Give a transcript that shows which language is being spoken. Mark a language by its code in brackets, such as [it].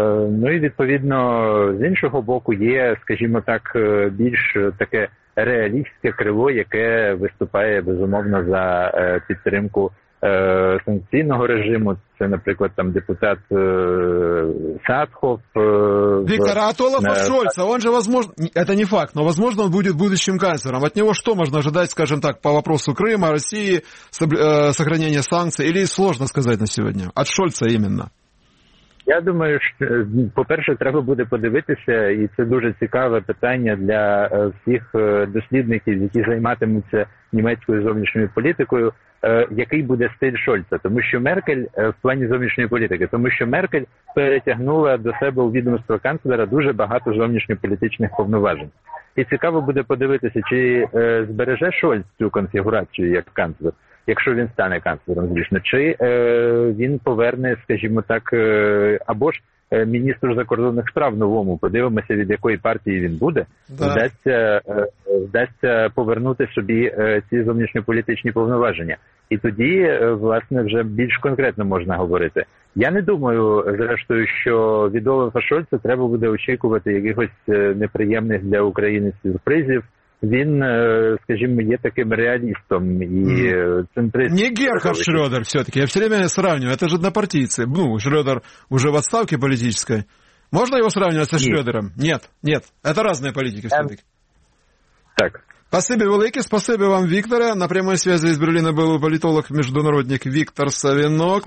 [uk] Ну і відповідно, з іншого боку, є, скажімо так, більш таке реалістське крило, яке виступає безумовно за підтримку санкційного режиму. Це, наприклад, там депутат Садхов. [ru] Віктор, а Олафа Шольца, он же, возможно, это не факт, но, возможно, он будет будущим канцлером. От него что можно ожидать, скажем так, по вопросу Крыма, России, сохранения санкций, или сложно сказать на сегодня? От Шольца именно. [uk] Я думаю, що, по-перше, треба буде подивитися, і це дуже цікаве питання для всіх дослідників, які займатимуться німецькою зовнішньою політикою, який буде стиль Шольца, тому що Меркель в плані зовнішньої політики, тому що Меркель перетягнула до себе у відомство канцлера дуже багато зовнішньополітичних повноважень. І цікаво буде подивитися, чи збереже Шольц цю конфігурацію як канцлер, якщо він стане канцлером, звісно, чи він поверне, скажімо так, або ж міністру закордонних справ новому, подивимося, від якої партії він буде, да. вдасться повернути собі ці зовнішньополітичні повноваження. І тоді, власне, вже більш конкретно можна говорити. Я не думаю, зрештою, що від Олафа Шольца треба буде очікувати якихось неприємних для України сюрпризів. Він, скажімо, є таким реалістом і центристом. [ru] Не Герхард Шрёдер, все-таки. Я все время сравнюю. Это же однопартійці. Ну, Шрёдер уже в отставке политической. Можно его сравнивать со Шрёдером? Нет, нет. Это разные политики все-таки. Так. Спасибо велике, спасибо вам, Викторе. На прямой связи из Берлина был политолог-международник Виктор Савинок.